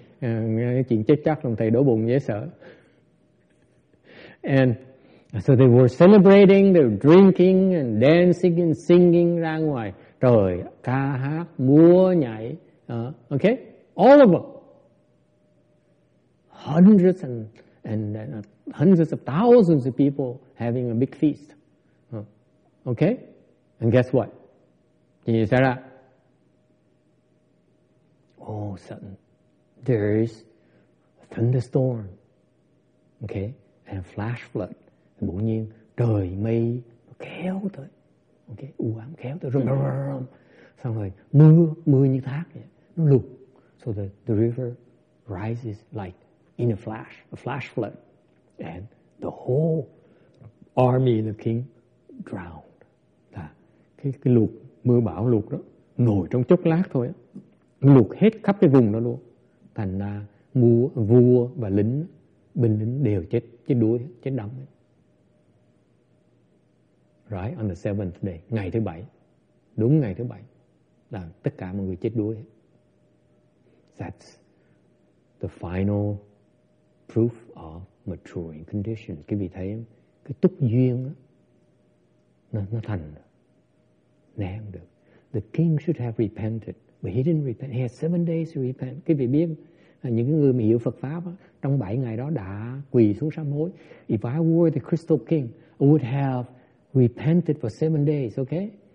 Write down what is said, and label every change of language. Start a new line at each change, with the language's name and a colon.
Vietnamese: Chuyện chết chắc lòng thầy đổ bụng dễ sợ.
English: And so they were celebrating, they were drinking and dancing and singing
Vietnamese: ra ngoài. Trời, ca hát, múa, nhảy. Okay?
English: All of them. Hundreds of thousands of people having a big feast. Okay? And guess what?
Vietnamese: Chuyện gì xảy ra?
English: All of a sudden, there is a thunderstorm. Okay? And a flash flood.
Vietnamese: Bỗng nhiên, trời mây kéo tới. Okay? Ám kéo tới. Xong rồi, mưa như thác vậy. Nó lụt.
English: So the river rises like in a flash flood. And the whole army of the king drowned.
Vietnamese: Cái lụt, mưa bão lụt đó, nổi trong chốc lát thôi. Lụt hết khắp cái vùng đó luôn. Thành ra vua và lính, binh lính đều chết, chết đuối, chết đắm.
English: Right, on the 7th day,
Vietnamese: ngày thứ 7, đúng ngày thứ 7, là tất cả mọi người chết đuối.
English: That's the final proof of maturing condition.
Vietnamese: Quý vị thấy cái túc duyên đó, nó thành, né không được.
English: The king should have repented, but he didn't repent. He had 7 days to repent.
Vietnamese: Quý vị biết, những người mà hiểu Phật pháp trong 7 ngày đó đã quỳ xuống sám hối.
English: If I were the Crystal King, I would have repented for 7 days, okay?